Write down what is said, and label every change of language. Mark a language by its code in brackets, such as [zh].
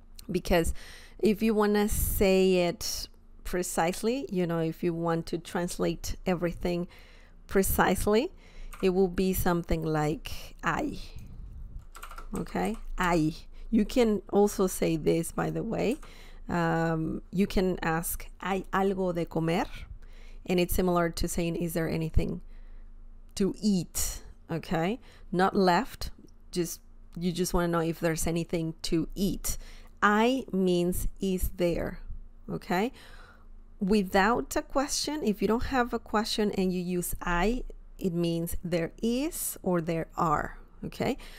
[en] Because if you want to say it precisely, you know, if you want to translate everything precisely, it will be something like I. Okay, I. You can also say this, by the way. You can ask, [es] ¿hay algo de comer? [en] And it's similar to saying, is there anything to eat? Okay, not left, just you just want to know if there's anything to eat. I means is there, okay? Without a question, if you don't have a question and you use I, it means there is or there are, okay?